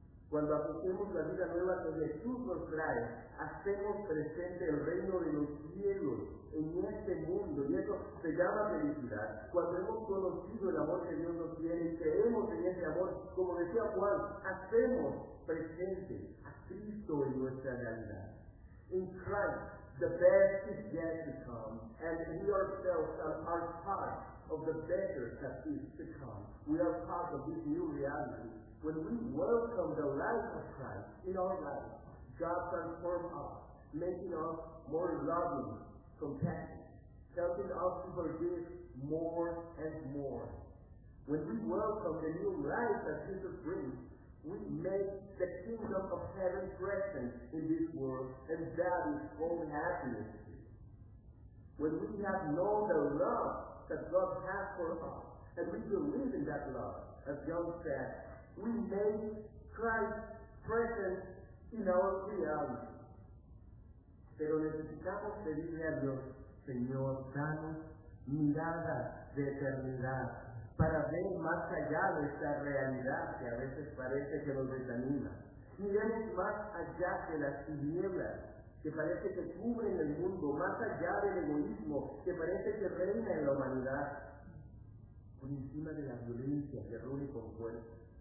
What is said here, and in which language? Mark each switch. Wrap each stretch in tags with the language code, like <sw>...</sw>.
<es>Cuando apostemos la vida nueva que Jesús nos trae, hacemos presente el reino de los cielos en este mundo, y eso se llama felicidad. Cuando hemos conocido el amor que Dios nos tiene y creemos en ese amor, como decía Juan, hacemos presente a Cristo en nuestra realidad.</es> <en>In Christ, the best is yet to come, and we ourselves are part of the better that is to come. We are part of this new reality. When we welcome the life of Christ in our life, God transforms us, making us more loving, compassionate, helping us to forgive more and more. When we welcome the new life that Jesus brings, we make the kingdom of heaven present in this world, and that is all happiness. When we have known the love that God has for us, and we believe in that love, as John said, we make Christ present in our reality.</en> <es>Pero necesitamos pedirle a Dios, Señor, danos mirada de eternidad para ver más allá de esta realidad que a veces parece que nos desanima. Miremos más allá de las tinieblas que parece que cubren el mundo, más allá del egoísmo que parece que reina en la humanidad, por encima de la violencia que ruge con fuerza.</es>